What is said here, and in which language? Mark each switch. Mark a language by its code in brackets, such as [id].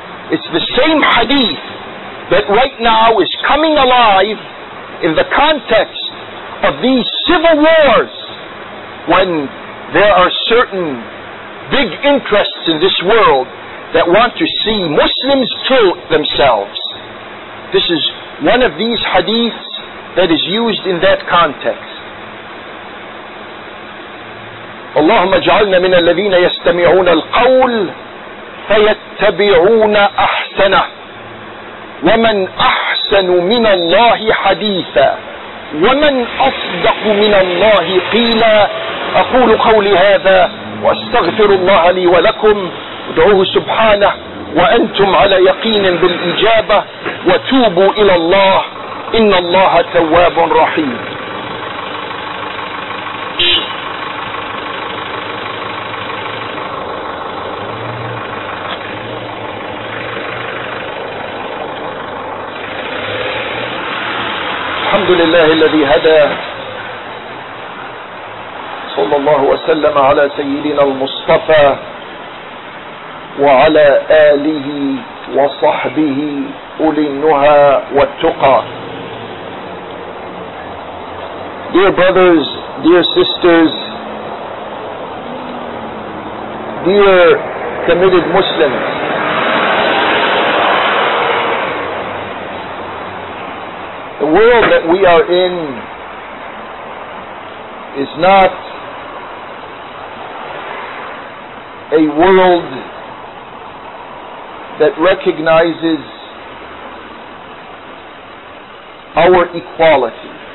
[en] It's the same hadith that right now is coming alive in the context of these civil wars, when there are certain big interests in this world that want to see Muslims kill themselves. This is one of these hadiths that is used in that context. [ar] اللهم اجعلنا من الذين يستمعون القول فيتبعون أحسنه ومن أحسن من الله حديثا ومن أصدق من الله قيلا أقول قولي هذا وأستغفر الله لي ولكم ادعوه سبحانه وأنتم على يقين بالإجابة وتوبوا إلى الله إن الله تواب رحيم. [en] Thank you. [ar] الحمد لله الذي هدى صلى الله وسلم على سيدنا المصطفى وعلى آله وصحبه أولي النهى والتقى. [en] Dear brothers, dear sisters, dear committed Muslims, the world that we are in is not a world that recognizes our equality.